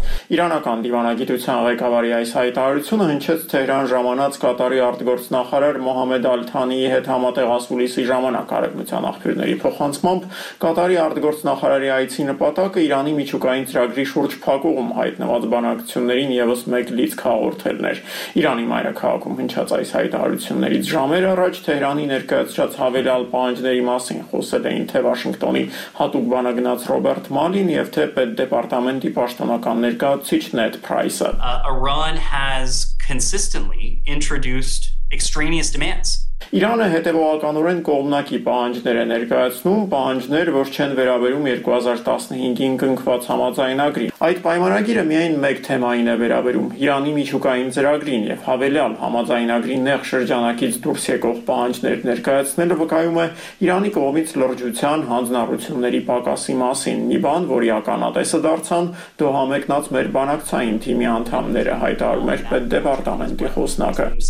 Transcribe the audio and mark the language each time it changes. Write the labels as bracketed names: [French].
[Armenian] Իրանական դիվանագիտության ղեկավարի այս հայտարարությունը հնչեց Թեհրան ժամանած կատարի արտգործնախարար Մոհամեդ Ալթանիի հետ համատեղ ասուլիսի ժամանակ արևմտյան աղբյուրների փոխանցմամբ։ Կատարի արտգործնախարարի այցի նպատակը Իրանի միջուկային ծրագրի շուրջ փակուղում հայտնված բանակցություններին ևս մեկ լիցք հաղորդելն էր։ Իրանի մայրաքաղաքում հնչած այս հայտարարություններից ժամեր առաջ Թեհրանի ներկայացրած հավելյալ պահանջների մասին խոսել էին թե Վաշինգտոնի հատուկ բանագնաց Ռոբերտ Մալին և թե Պետ դեպարտամենտի պաշտոնական ներկայացուցիչ Նեդ Փրայսը։ [English] Iran has consistently introduced extraneous demands. [Armenian] Իրանը հետևողականորեն կողմնակի պահանջներ է ներկայացնում, պահանջներ, որ չեն վերաբերում 2015-ին կնքված համաձայնագրի։ Այդ պայմանագիրը միայն մեկ թեմային է վերաբերում՝ Իրանի միջուկային ծրագրին և հավելյալ համաձայնագրի նեղ շրջանակից դուրս եկող պահանջներ ներկայացնելը վկայում է Իրանի կողմից լրջության հանձնառությունների պակասի մասին, մի բան, որի ականատեսը դարձան Դոհա մեկնած մեր բանակցային թիմի անդամները, հայտարարում էր Պետ դեպարտամենտի խոսնակը։